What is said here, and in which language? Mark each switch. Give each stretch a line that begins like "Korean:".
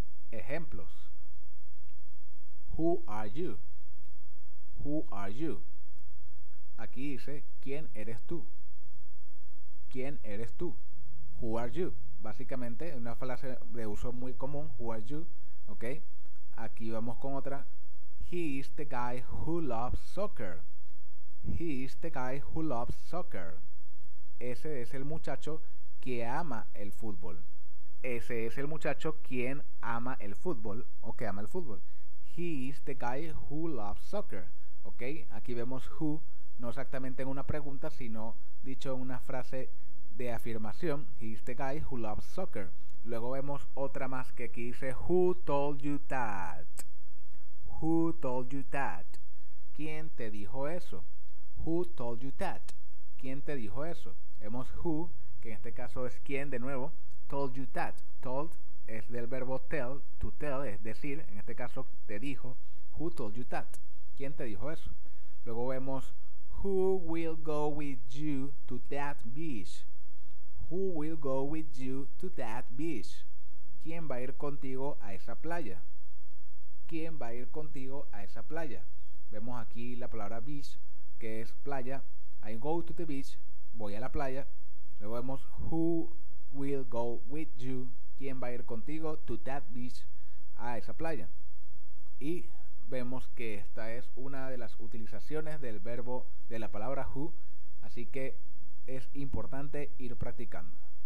Spanish: Ejemplos.
English: Who are you? Who are you?
Spanish: Aquí dice, ¿quién eres tú? ¿Quién eres tú?
English: Who are you?
Spanish: Básicamente, una frase de uso muy común,
English: who are you?
Spanish: Ok, aquí vamos con otra.
English: He is the guy who loves soccer. He is the guy who loves soccer.
Spanish: Ese es el muchacho que ama el fútbol. Ese es el muchacho quien ama el fútbol o que ama el fútbol.
English: He is the guy who loves soccer.
Spanish: Ok, aquí vemos who, no exactamente en una pregunta, sino dicho en una frase de afirmación.
English: He is the guy who loves soccer.
Spanish: Luego vemos otra más que aquí dice,
English: who told you that? Who told you that?
Spanish: ¿Quién te dijo eso? Who told you that? ¿Quién te dijo eso? Vemos who, que en este caso es quién de nuevo.
English: Told you that.
Spanish: Told es del verbo tell. To tell es decir, en este caso te dijo.
English: Who told you that?
Spanish: ¿Quién te dijo eso? Luego vemos,
English: who will go with you to that beach? Who will go with you to that beach?
Spanish: ¿Quién va a ir contigo a esa playa? ¿Quién va a ir contigo a esa playa? Vemos aquí la palabra beach, que es playa.
English: I go to the beach.
Spanish: Voy a la playa. Luego vemos,
English: who will go with you?
Spanish: ¿Quién va a ir contigo
English: to that beach?
Spanish: A esa playa. Y vemos que esta es una de las utilizaciones del verbo, de la palabra who. Así que es importante ir practicando.